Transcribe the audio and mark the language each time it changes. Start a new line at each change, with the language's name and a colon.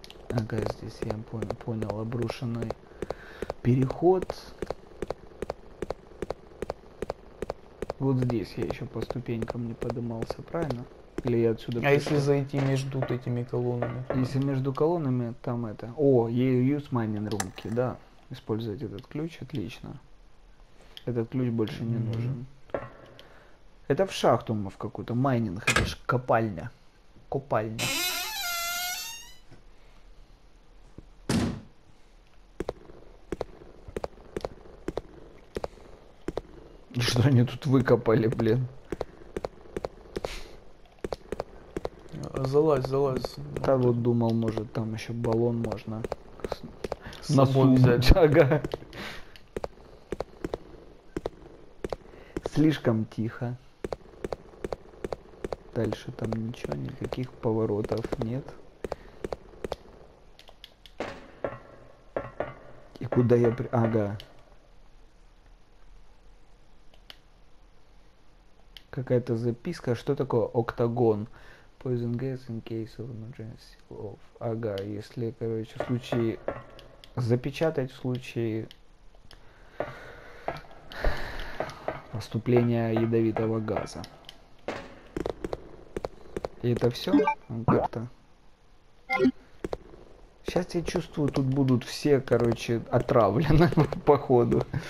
Russian: Ага, здесь я понял, обрушенный переход. Вот здесь я еще по ступенькам не поднимался, правильно? Или я отсюда пришел? А если зайти между вот этими колоннами? Если между колоннами, там это... О,
English: use mining room key,
Russian: да. Использовать этот ключ, отлично. Этот ключ больше не нужен. Это в шахту мы в какую-то, майнинг, это же копальня. Копальня. И что они тут выкопали, блин? Залазь, залазь. Да, вот думал, может, там еще баллон можно на сумму взять. Ага. Слишком тихо. Дальше там ничего, никаких поворотов нет. И куда я при... Ага. Какая-то записка. Что такое октагон?
English: Poison gas in case of emergency.
Russian: Of. Ага, если, короче, в случае... Запечатать в случае поступления ядовитого газа. И это все? Как-то... Сейчас я чувствую, тут будут все, короче, отравлены походу.